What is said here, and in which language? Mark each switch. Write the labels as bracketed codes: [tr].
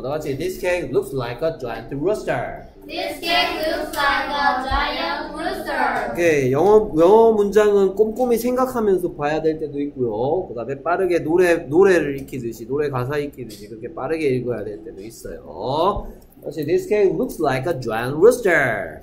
[en] 나같이 This cake looks like a giant rooster. This cake looks like a giant rooster. [ko] 영어 문장은 꼼꼼히 생각하면서 봐야 될 때도 있고요. 그 다음에 빠르게 노래를 익히듯이 노래 가사 익히듯이 그렇게 빠르게 읽어야 될 때도 있어요. [en] 사실 this cake looks like a giant rooster.